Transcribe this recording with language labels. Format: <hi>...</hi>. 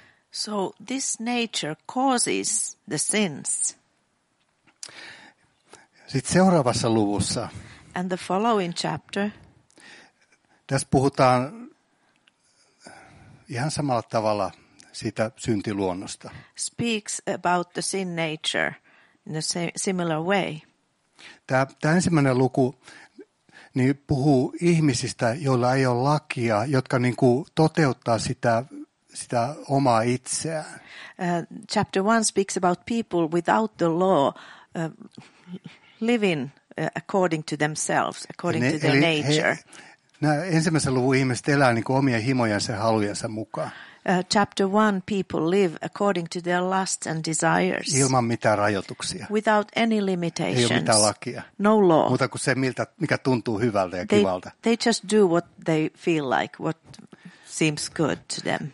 <en>So this nature causes the sins.</en> <fi>Sitten seuraavassa luvussa.</fi> <en>And the following chapter.</en> <fi>Tässä puhutaan ihan samalla tavalla siitä syntiluonnosta.</fi> <en>Speaks about the sin nature in a similar way.</en> <fi>Tämä ensimmäinen luku niin puhuu ihmisistä, joilla ei ole lakia, jotka niin kuin toteuttaa sitä omaa itseään.</fi> <en>Chapter 1 speaks about people without the law living according to themselves, according to their nature.</en> <fi>Nämä ensimmäisen luvun ihmiset elää niin kuin omien himojensa ja halujensa mukaan.</fi> <en>Chapter 1 people live according to their lusts and desires.</en> <fi>Ilman mitään rajoituksia.</fi> <en>Without any limitations.</en> <fi>Ei ole mitään lakia.</fi> <en>No law.</en> <fi>Muuta kuin se, mikä tuntuu hyvältä ja kivalta.</fi> <en>They just do what they feel like, what seems good to them.</en>